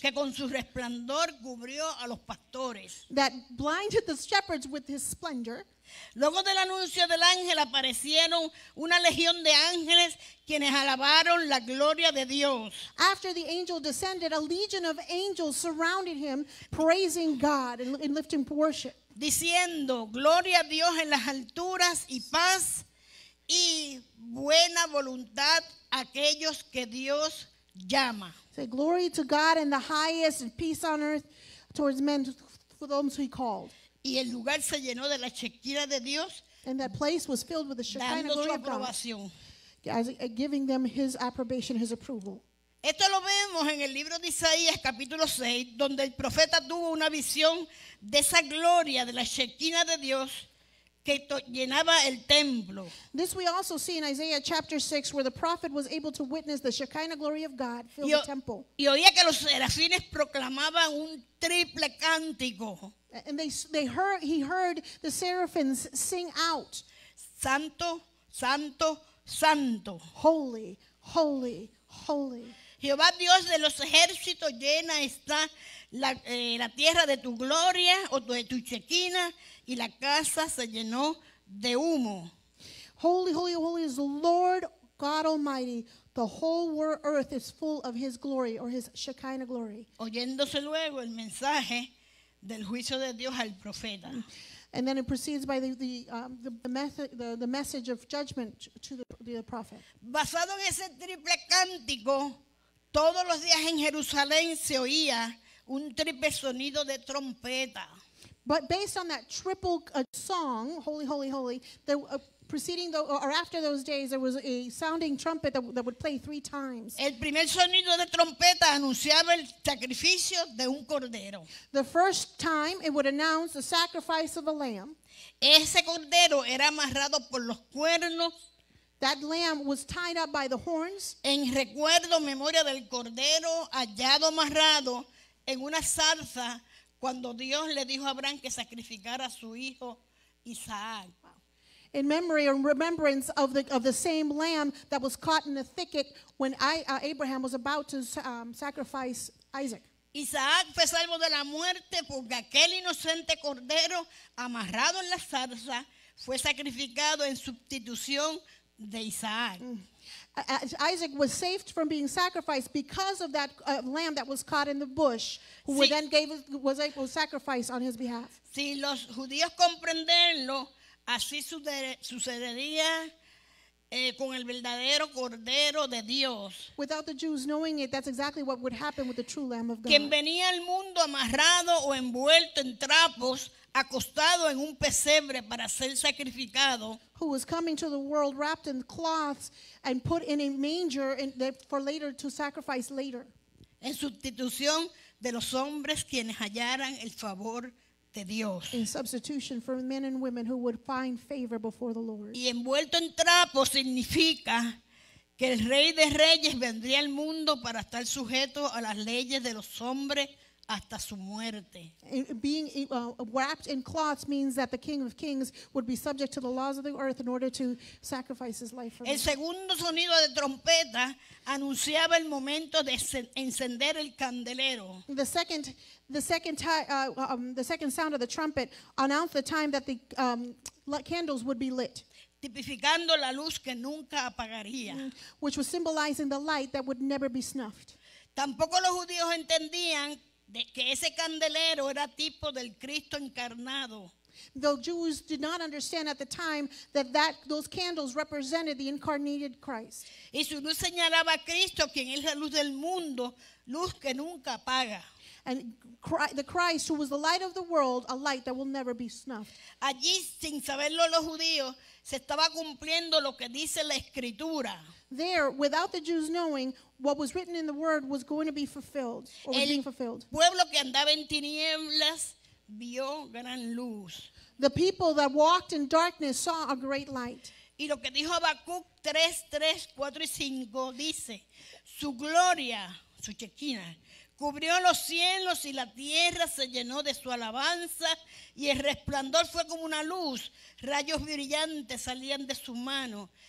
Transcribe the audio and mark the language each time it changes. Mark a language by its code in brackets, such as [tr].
[es] Que con su resplandor cubrió a los pastores. [en] That blinded the shepherds with his splendor. [es] Luego del anuncio del ángel aparecieron una legión de ángeles quienes alabaron la gloria de Dios. [en] After the angel descended, a legion of angels surrounded him, praising God and lifting worship. [es] Diciendo, gloria a Dios en las alturas y paz y buena voluntad a aquellos que Dios llama. [en] Say glory to God in the highest and peace on earth towards men for those he called. [es] Y el lugar se llenó de la Shekinah de Dios. [en] And that place was filled with the Shekinah glory of [es] aprobación. [en] God. Giving them his approbation, his approval. [es] Esto lo vemos en el libro de Isaías capítulo 6 donde el profeta tuvo una visión de esa gloria de la Shekinah de Dios que llenaba el templo. [en] This we also see in Isaiah chapter 6 where the prophet was able to witness the Shekinah glory of God fill the temple. [es] Y oía que los serafines proclamaban un triple cántico. [en] And he heard the seraphims sing out. [es] Santo, santo, santo. [en] Holy, holy, holy. [es] Jehová Dios de los ejércitos llena está la tierra de tu gloria o de tu Shekinah. Y la casa se llenó de humo. [en] Holy, holy, holy is the Lord God Almighty. The whole world, earth is full of his glory or his Shekinah glory. [es] Oyéndose luego el mensaje del juicio de Dios al profeta. [en] And then it proceeds by the message of judgment to the prophet. [es] Basado en ese triple cántico, todos los días en Jerusalén se oía un triple sonido de trompeta. [en] But based on that triple song, holy, holy, holy, after those days, there was a sounding trumpet that would play three times. [es] El primer sonido de trompeta anunciaba el sacrificio de un cordero. [en] The first time, it would announce the sacrifice of a lamb. [es] Ese cordero era amarrado por los cuernos. [en] That lamb was tied up by the horns. [es] En recuerdo, memoria del cordero hallado amarrado en una zarza. Cuando Dios le dijo a Abraham que sacrificara a su hijo Isaac. [en] in memory or remembrance of the same lamb that was caught in the thicket when Abraham was about to sacrifice Isaac. [es] Isaac fue salvo de la muerte porque aquel inocente cordero amarrado en la zarza fue sacrificado en sustitución de Isaac. [en] Isaac was saved from being sacrificed because of that lamb that was caught in the bush, who si, then gave was able to sacrifice on his behalf. [es] Si los judíos comprenderlo, así sucedería con el verdadero cordero de Dios. [en] Without the Jews knowing it, that's exactly what would happen with the true Lamb of God. [es] Quien venía al mundo amarrado o envuelto en trapos, acostado en un pesebre para ser sacrificado. [en] Who was coming to the world wrapped in cloths and put in a manger for later to sacrifice later. [es] En sustitución de los hombres quienes hallaran el favor de Dios. [en] In substitution for men and women who would find favor before the Lord. [es] Y envuelto en trapo significa que el Rey de Reyes vendría al mundo para estar sujeto a las leyes de los hombres hasta su muerte. [en] Being wrapped in cloths means that the King of Kings would be subject to the laws of the earth in order to sacrifice his life for [es] El segundo sonido de trompeta anunciaba el momento de encender el candelero. [en] The second sound of the trumpet announced the time that the candles would be lit. [es] Tipificando la luz que nunca apagaría. [en] Which was symbolizing the light that would never be snuffed. [es] Tampoco los judíos entendían de que ese candelero era tipo del Cristo encarnado. [en] The Jews did not understand at the time that those candles represented the incarnated Christ. [es] Y su luz señalaba a Cristo, quien es la luz del mundo, luz que nunca apaga. [en] And the Christ, who was the light of the world, a light that will never be snuffed. [es] Allí, sin saberlo los judíos, se estaba cumpliendo lo que dice la Escritura. [en] There, without the Jews knowing, what was written in the word was going to be fulfilled, or was being fulfilled. [es] El pueblo que andaba en tinieblas vio gran luz. [en] The people that walked in darkness saw a great light. [es] Y lo que dijo Habacuc 3:3, 4 y 5 dice, su gloria, su chequina, cubrió los cielos y la tierra se llenó de su alabanza y el resplandor fue como una luz, rayos brillantes salían de su mano.